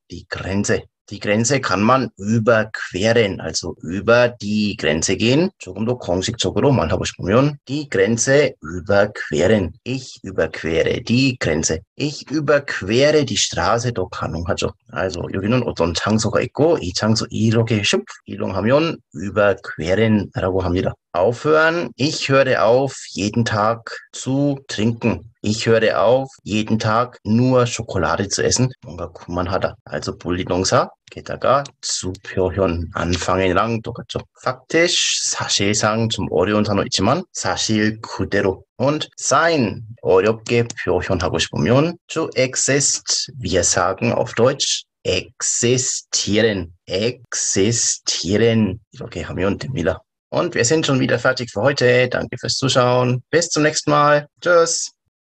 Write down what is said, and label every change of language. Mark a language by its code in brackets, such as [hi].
[de] Die Grenze. Die Grenze kann man überqueren, also über die Grenze gehen. [ko] 조금 더 공식적으로 말하고 싶으면 [de] die Grenze überqueren. Ich überquere die Grenze. Ich überquere die Straße도 가능하죠. [ko] Also 여기는 어떤 장소가 있고 이 장소 이렇게 슉 이동하면 überqueren라고 합니다. [de] Aufhören. Ich höre auf, jeden Tag zu trinken. Ich höre auf, jeden Tag nur Schokolade zu essen. [ko] 뭔가 그만하다. Also 불리동사 게다가 zu 표현 안fangen이랑 똑같죠. Faktisch, 사실상 좀 어려운 단어 있지만 사실 그대로. [de] Und sein, [ko] 어렵게 표현하고 싶으면 [de] to exist, wir sagen auf Deutsch existieren. [ko] 이렇게 하면 됩니다. [de] Und wir sind schon wieder fertig für heute. Danke fürs Zuschauen. Bis zum nächsten Mal. Tschüss.